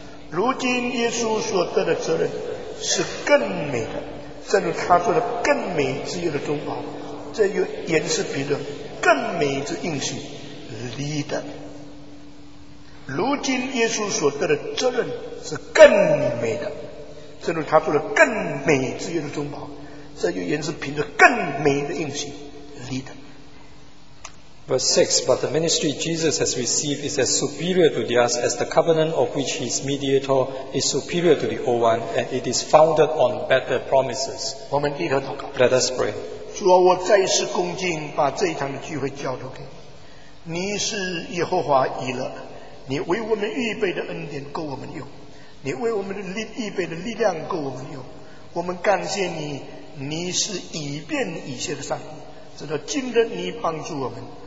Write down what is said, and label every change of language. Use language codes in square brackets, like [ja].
[zh] 如今耶稣所得的责任是更美的，正如他做了更美之约的中保，这又言是比着更美之应许离的。如今耶稣所得的责任是更美的，正如他做了更美之约的中保，这又言是凭着更美的应许离的。 [en] Verse 6, but the ministry Jesus has received is as superior to theirs as the covenant of which he is mediator is superior to the old one, and it is founded on better promises. [zh] 我们低头祷告。 [en] Let us pray. [zh] 主啊，我再次恭敬把这一堂的聚会交托给你。你是耶和华以勒，你为我们预备的恩典够我们用，你为我们的预备的力量够我们用。我们感谢你，你是以便以谢的上帝，直到今日你帮助我们。